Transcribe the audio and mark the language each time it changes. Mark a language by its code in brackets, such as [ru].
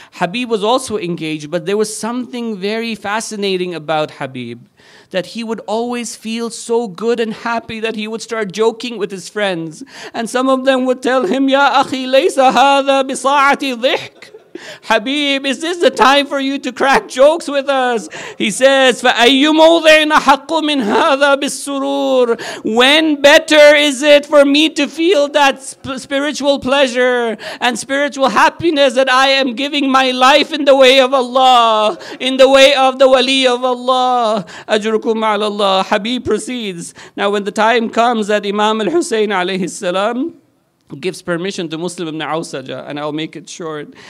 [en] Habib was also engaged, but there was something very fascinating about Habib, that he would always feel so good and happy that he would start joking with his friends. And some of them would tell him, [ar] Ya akhi, laysa hadha bisa'ati dhihk. [en] Habib, is this the time for you to crack jokes with us? He says, [ar] فَأَيُّ مَوْضِعٍ أَحَقُّ مِنْ هَذَا بِالسُّرُورِ. [en] When better is it for me to feel that spiritual pleasure and spiritual happiness that I am giving my life in the way of Allah, in the way of the wali of Allah? [ar] أَجْرُكُمْ عَلَى اللَّهِ. [en] Habib proceeds. Now when the time comes that Imam al-Husayn alayhi salam gives permission to Muslim ibn Awsaja, and I'll make it short.